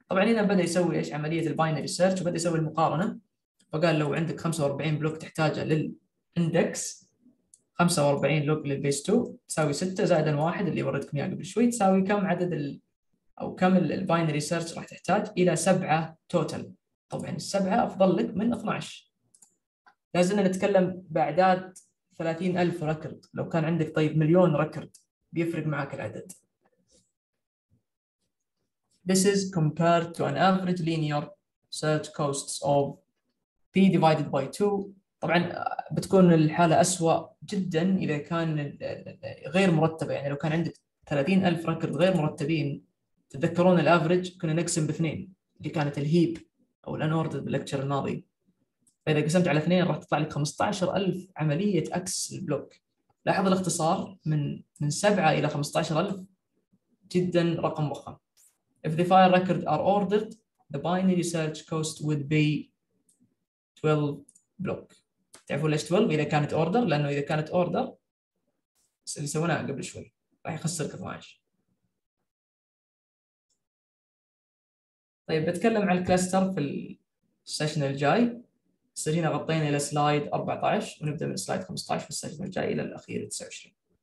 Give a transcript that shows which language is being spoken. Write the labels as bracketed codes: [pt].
[ar] طبعا هنا بدا يسوي ايش؟ عمليه الباينري سيرش، وبدا يسوي المقارنه، فقال لو عندك 45 بلوك تحتاجه للاندكس، 45 لوك للبيس 2 تساوي 6 زائد 1 اللي وريتكم اياه قبل شوي، تساوي كم عدد او كم الباينري سيرش راح تحتاج؟ الى 7 توتال. طبعا السبعه افضل لك من 12. لازلنا نتكلم باعداد 30,000 ريكورد، لو كان عندك طيب مليون ريكورد بيفرق معاك العدد. [en] This is compared to an average linear search costs of p divided by 2. [ar] طبعا بتكون الحاله أسوأ جدا اذا كان غير مرتبه، يعني لو كان عندك 30,000 ريكورد غير مرتبين، تتذكرون الافرج كنا نقسم باثنين اللي كانت الهيب او الانوردر بالليكتشر الماضي. فاذا قسمت على اثنين راح تطلع لك 15,000 عمليه اكسس البلوك. لاحظ الاختصار من 7 الى 15,000 جدا رقم ضخم. [en] If the file record are ordered, the binary search cost would be 12 block. [ar] تعرفون ليش 12؟ إذا كانت order، لأنه إذا كانت order اللي سويناها قبل شوي راح يخسرك 12. طيب بتكلم عن الكلاستر في السيشن الجاي. هسه هنا غطينا إلى سلايد 14 ونبدأ من سلايد 15 في السيشن الجاي إلى الأخير 29.